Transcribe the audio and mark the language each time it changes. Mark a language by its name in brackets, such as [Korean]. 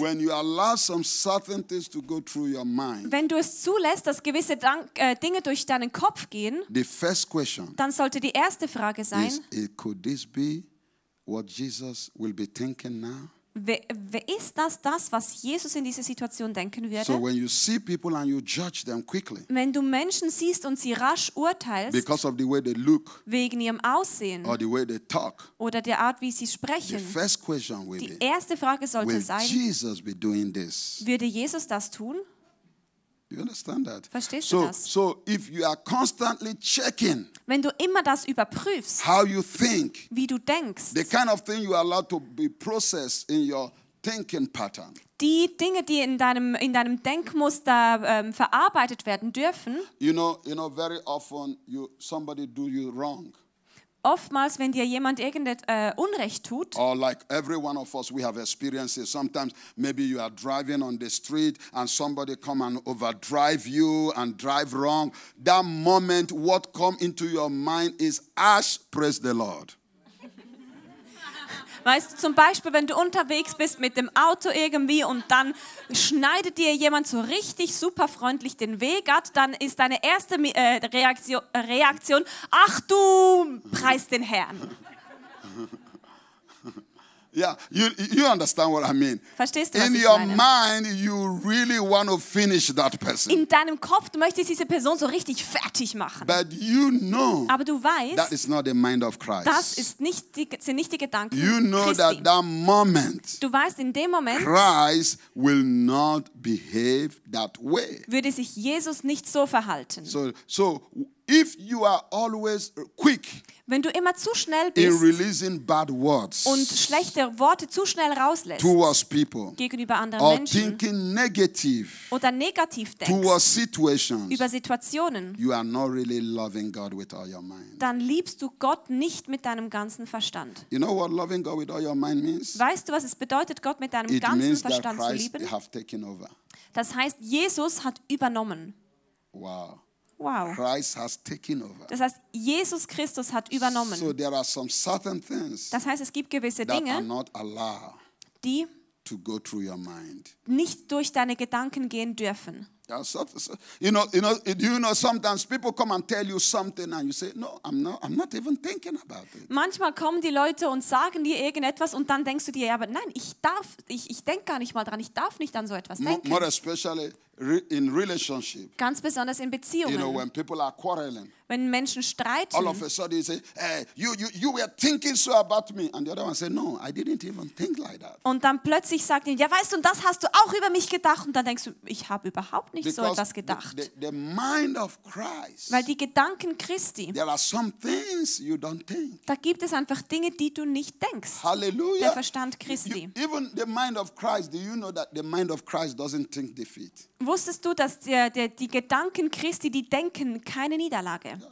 [English] when you allow some certain things to go through your mind, [German] wenn du es zulässt, dass gewisse Dinge durch deinen Kopf gehen, [English] the first question, [German] dann sollte die erste Frage sein, [English] is, could this be what Jesus will be thinking now? [German] Wer ist das, was Jesus in dieser Situation denken würde? [English] So when you see people and you judge them quickly, [German] wenn du Menschen siehst und sie rasch urteilst, [English] because of the way they look, [German] wegen ihrem Aussehen [English] or the way they talk, [German] oder der Art, wie sie sprechen, [English] the first question will [German] die erste Frage sollte [English] will [German] sein, [English] Jesus be doing this? [German] Würde Jesus das tun? [English] You understand that? [German] Verstehst [English] so, [German] du das? [English] So if you are constantly checking, [German] wenn du immer das überprüfst, [English] how you think, [German] wie du denkst, [English] the kind of thing you are allowed to be processed in your thinking pattern, [German] die Dinge, die in deinem Denkmuster verarbeitet werden dürfen, [English] you know very often somebody do you wrong. [German] Oftmals, wenn dir jemand irgendetwas Unrecht tut, [English] or like every one of us, we have experiences. Sometimes maybe you are driving on the street and somebody come and overdrive you and drive wrong. That moment, what come into your mind is, "Ash, praise the Lord." [German] Weißt du, zum Beispiel, wenn du unterwegs bist mit dem Auto irgendwie und dann schneidet dir jemand so richtig super freundlich den Weg ab, dann ist deine erste Reaktion, ach du, preis den Herrn. [English] Yeah, you understand what I mean. [German] Verstehst du, [English] in [German] was ich [English] your [German] meine? [English] Mind, you really want to finish that person. [German] In deinem Kopf, du möchtest diese Person so richtig fertig machen. [English] But you know, [German] aber du weißt, [English] that is not the mind of Christ. [German] Das ist nicht sind nicht die Gedanken [English] you know [German] Christi. [English] That moment, [German] du weißt, in dem Moment, [English] Christ will not behave that way. [German] Würde sich Jesus nicht so verhalten. [English] So if you are always quick, [German] wenn du immer zu schnell bist [English] bad words [German] und schlechte Worte zu schnell rauslässt [English] people, [German] gegenüber anderen [English] or [German] Menschen [English] negative, [German] oder negativ denkst über Situationen, [English] you are not really loving God with all your mind. [German] Dann liebst du Gott nicht mit deinem ganzen Verstand. [English] You know what loving God with all your mind means? [German] Weißt du, was es bedeutet, Gott mit deinem [English] It [German] ganzen [English] means [German] Verstand [English] that Christ [German] zu lieben? [English] Have taken over. [German] Das heißt, Jesus hat übernommen. [English] Wow. [German] Wow. [English] Christ has taken over. [German] Das heißt, Jesus Christus hat übernommen. [English] So there are some certain things, [German] das heißt, es gibt gewisse Dinge, [English] that are not allowed, [German] die [English] to go through your mind, [German] nicht durch deine Gedanken gehen dürfen. [English] Yeah, you know, sometimes people come and tell you something and you say, no, I'm not even thinking about it. [German] Manchmal kommen die Leute und sagen dir irgendetwas und dann denkst du dir, ja, aber nein, ich denke gar nicht mal dran, ich darf nicht an so etwas denken. [English] More especially in relationship. [German] Ganz besonders in Beziehungen. [English] You know, when people are quarreling, [German] wenn Menschen streiten, [English] all of a sudden you say, hey, you were thinking so about me. And the other one says, no, I didn't even think like that. [German] Und dann plötzlich sagt ihn, ja, weißt du, und das hast du auch über mich gedacht. Und dann denkst du, ich habe überhaupt nicht [English] because [German] so etwas gedacht. [English] The mind of Christ, [German] weil die Gedanken Christi, [English] there are some things you don't think. [German] Da gibt es einfach Dinge, die du nicht denkst. Halleluja. Der Verstand Christi. [English] Even the mind of Christ, do you know that the mind of Christ doesn't think defeat? [German] Wusstest du, dass die Gedanken Christi, die denken keine Niederlage?